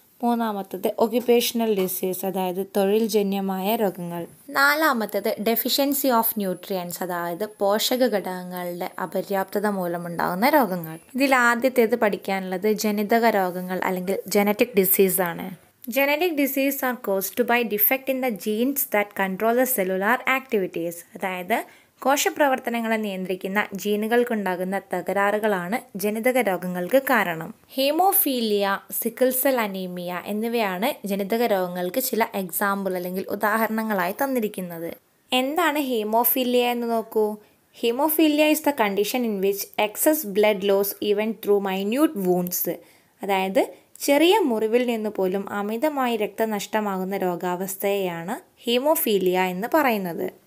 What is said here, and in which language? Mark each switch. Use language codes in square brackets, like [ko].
[ml] മൂന്നാമത്തേത് occupational disease അതായത് തൊഴിൽ ജന്യമായ രോഗങ്ങൾ. നാലാമത്തേത് ഡെഫിഷ്യൻസി ഓഫ് ന്യൂട്രിയൻസ് അതായത് പോഷക ഘടകങ്ങളുടെ അപര്യാപ്തത മൂലമുണ്ടാകുന്ന രോഗങ്ങൾ. ഇതിൽ ആദ്യത്തേത് പഠിക്കാനുള്ളത് ജനിതക രോഗങ്ങൾ അല്ലെങ്കിൽ ജനറ്റിക് ഡിസീസ് ആണ്. [en] Genetic diseases are caused by defect in the genes that control the cellular activities. [ml] അതായത് കോശപ്രവർത്തനങ്ങളെ നിയന്ത്രിക്കുന്ന ജീനുകൾക്കുണ്ടാകുന്ന തകരാറുകളാണ് ജനിതക രോഗങ്ങൾക്ക് കാരണം. ഹീമോഫീലിയ, സിക്കിൾസെൽ അനീമിയ എന്നിവയാണ് ജനിതക രോഗങ്ങൾക്ക് ചില എക്സാമ്പിൾ അല്ലെങ്കിൽ ഉദാഹരണങ്ങളായി തന്നിരിക്കുന്നത്. എന്താണ് ഹീമോഫീലിയ എന്ന് നോക്കൂ. [en] haemophilia is the condition in which excess blood loss event through minute wounds [ml] അതായത് ചെറിയ മുറിവിൽ നിന്ന് പോലും അമിതമായി രക്തനഷ്ടമാകുന്ന രോഗാവസ്ഥയെയാണ് ഹീമോഫീലിയ എന്ന് പറയുന്നത്.